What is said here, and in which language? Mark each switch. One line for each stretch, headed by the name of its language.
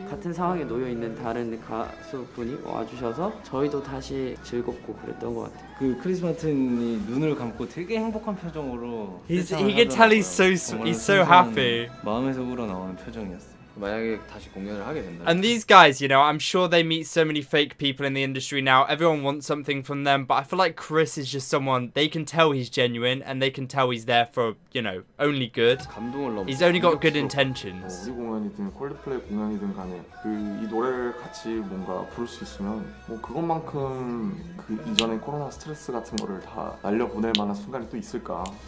Korean: 같은 상황에 놓여 있는 다른 가수분이 와주셔서 저희도 다시 즐겁고 그랬던 것 같아요. 그 크리스 마틴이 눈을 감고 되게 행복한 표정으로 이게 차라리
English: so happy
Korean: 마음에서 우러나오는 표정이었어요. 만약에 다시 공연을 하게 된다면.
English: And these guys, you know, I'm sure they meet so many fake people in the industry now. Everyone wants something from them, but I feel like Chris is just someone they can tell he's genuine and they can tell he's there for, you know, only good.
Korean: 감동을 넘어.
English: He's only got good intentions.
Korean: 우리 공연이든 콜드플레이 공연이든 간에 그 이 노래를 같이 뭔가 부를 수 있으면 뭐 그것만큼 그 이전에 코로나 스트레스 같은 거를 다 날려 보낼 만한 순간이 또 있을까?